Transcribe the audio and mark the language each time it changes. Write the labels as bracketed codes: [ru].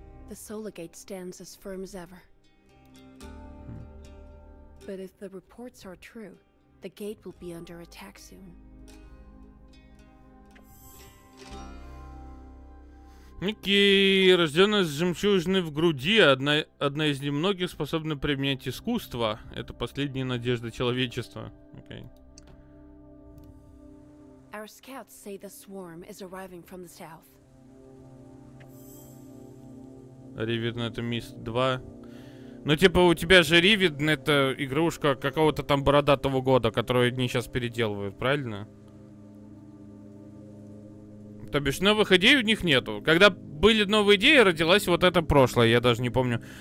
[en] The Solar Gate stands as firm as ever. But if the reports are true, the gate will be under attack soon. [ru] Окей, рождённая с жемчужиной в груди, одна из немногих способна применять искусство. Это последняя надежда человечества. Окей. [en] Our scouts say the swarm is arriving from the south. [ru] Ривен, это Мист 2. Ну, типа, у тебя же Ривен, это игрушка какого-то там бородатого года, которую они сейчас переделывают, правильно? То бишь, новых идей у них нету. Когда были новые идеи, родилась вот эта прошлая. Я даже не помню.